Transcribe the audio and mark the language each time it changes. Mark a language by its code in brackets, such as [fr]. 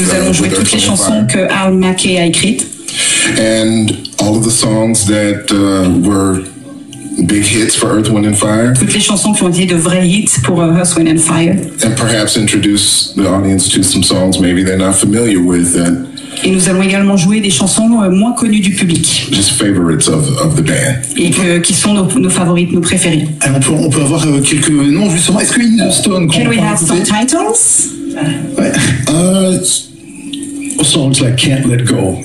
[fr] Nous allons jouer toutes les chansons que Al McKay a écrites. [en] and all of the songs that were big hits for Earth, Wind and Fire. [fr] Toutes les chansons qui ont été de vrais hits pour Earth, Wind and Fire. [en] And perhaps introduce the audience to some songs maybe they're not familiar with. [fr] Et nous allons également jouer des chansons moins connues du public. [en] Just favorites of the band. [fr] Et que, qui sont nos favorites, nos préférées. Et on peut avoir quelques noms justement. Est-ce qu'il y a une Stone qu'on peut écouter? [en] Can we have some titles? [fr] Ouais. [en] Songs like Can't Let Go.